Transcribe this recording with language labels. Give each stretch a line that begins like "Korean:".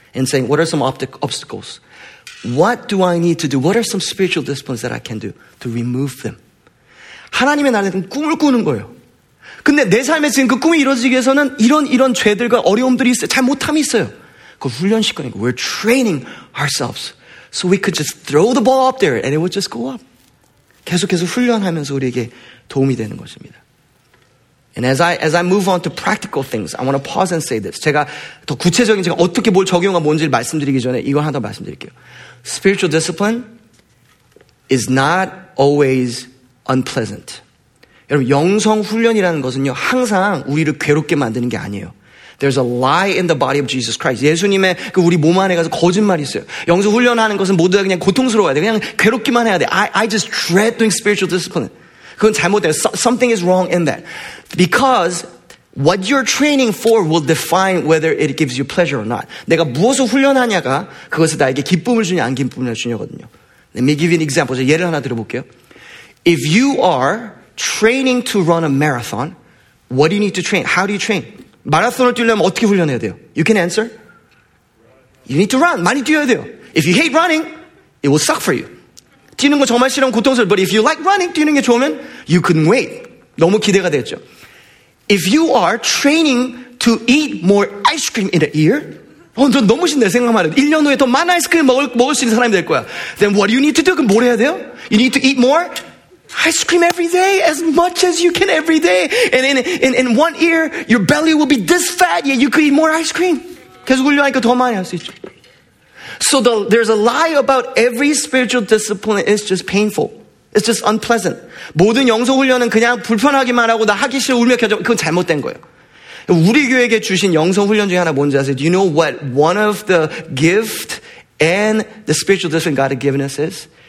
English: And saying, what are some obstacles? What do I need to do? What are some spiritual disciplines that I can do to remove them?
Korean: 하나님의 나라는 꿈을 꾸는 거예요. 근데 내 삶에 지금 그 꿈이 이루어지기 위해서는 이런 죄들과 어려움들이 있어요. 잘못함이 있어요. 그걸 훈련시키는 거예요.
English: We're training ourselves so we could just throw the ball up there and it would just go up.
Korean: 계속해서 훈련하면서 우리에게 도움이 되는 것입니다.
English: And as I move on to practical things, I want to pause and say this.
Korean: 제가 더 구체적인 제가 어떻게 뭘 적용한 뭔지를 말씀드리기 전에 이걸 하나 더 말씀드릴게요.
English: Spiritual discipline is not always unpleasant.
Korean: 여러분, 영성 훈련이라는 것은요, 항상 우리를 괴롭게 만드는 게 아니에요.
English: There's a lie in the body of Jesus Christ.
Korean: 예수님의 그 우리 몸 안에 가서 거짓말이 있어요. 영성 훈련하는 것은 모두 다 그냥 고통스러워야 돼. 그냥 괴롭기만 해야 돼.
English: I just dread doing spiritual discipline.
Korean: 그건 잘못돼요.
English: Something is wrong in that. Because what you're training for will define whether it gives you pleasure or not.
Korean: 내가 무엇을 훈련하냐가 그것이 나에게 기쁨을 주냐 안 기쁨을 주냐거든요.
English: Let me give you an example.
Korean: 제가 예를 하나 들어볼게요.
English: If you are training to run a marathon, what do you need to train? How do you train?
Korean: 마라톤을 뛰려면 어떻게 훈련해야 돼요?
English: You can answer. You need to run.
Korean: 많이 뛰어야 돼요.
English: If you hate running, it will suck for you.
Korean: 뛰는 거 정말 싫으면 고통스러워.
English: But if you like running,
Korean: 뛰는 게 좋으면
English: you can wait.
Korean: 너무 기대가 됐죠.
English: If you are training to eat more ice cream in a year,
Korean: 저 너무 신나요. 생각만 해도. 1년 후에 더 많은 아이스크림 먹을 수 있는 사람이 될 거야.
English: Then what do you need to do?
Korean: 그럼 뭘 해야 돼요?
English: You need to eat more ice cream every day, as much as you can every day. And in 1 year, your belly will be this fat, yet you could eat more ice cream.
Korean: 계속 훈련하니까 더 많이 할 수 있죠.
English: So there's a lie about every spiritual discipline is just painful. It's just unpleasant.
Korean: 모든 영성 훈련은 그냥 불편하기만 하고 나 하기 싫어 울며 켜져. 그건 잘못된 거예요. 우리 교회에게 주신 영성 훈련 중에 하나 뭔지 아세요?
English: Do you know what one of the gift and the spiritual discipline God has given us is?